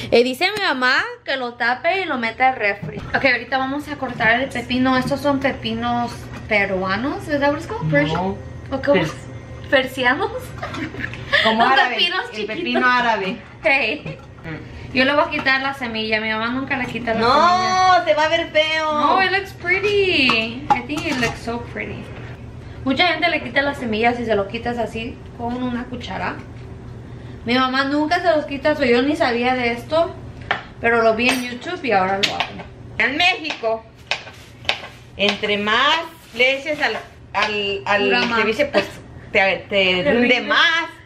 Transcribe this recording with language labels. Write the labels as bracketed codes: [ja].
[es] Y dice mi mamá que lo tape y lo meta al refri. Ok, ahorita vamos a cortar el pepino. Estos son pepinos peruanos. [en] ¿Es that what it's called? Persian. [es] ¿O cómo? Persianos. Como árabe. Pepinos chiquitos. El pepino árabe. Okay. Yo le voy a quitar la semilla. Mi mamá nunca le quita la semilla. No, se va a ver feo. [en] No, it looks pretty. I think it looks so pretty. [es] Mucha gente le quita las semillas y se lo quitas así con una cuchara. Mi mamá nunca se los quita, yo ni sabía de esto, pero lo vi en YouTube y ahora lo hago. En México, entre más le eches al ceviche, pues te rinde más.